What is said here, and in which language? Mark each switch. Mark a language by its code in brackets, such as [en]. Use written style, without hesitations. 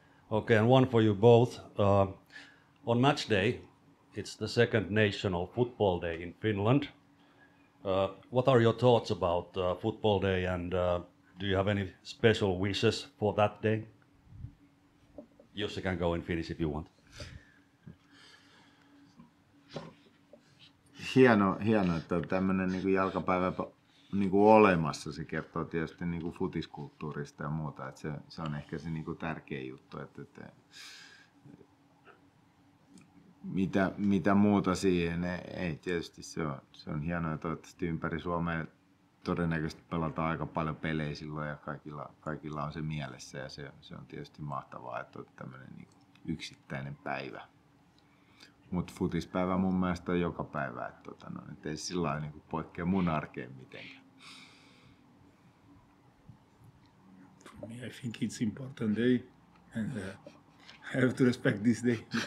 [en] Okay, and one for you both. On match day, it's the second national football day in Finland. What are your thoughts about football day and do you have any special wishes for that day? Jussi can go in Finnish if you want. [fi] Hienoa, että on tämmöinen niinku jalkapäivä niinku olemassa. Se kertoo tietysti niinku futiskulttuurista ja muuta, että se on ehkä se niinku tärkeä juttu, että mitä muuta siihen, ei tietysti se on hienoa, toivottavasti ympäri Suomea todennäköisesti pelataan aika paljon pelejä silloin ja kaikilla on se mielessä ja se on tietysti mahtavaa, että on tämmöinen niin yksittäinen päivä. Mutta futispäivä mun mielestä on joka päivä, että ei sillä lailla niin poikkea mun arkeen mitenkään. [en] For me, I think it's important day and I have to respect this day.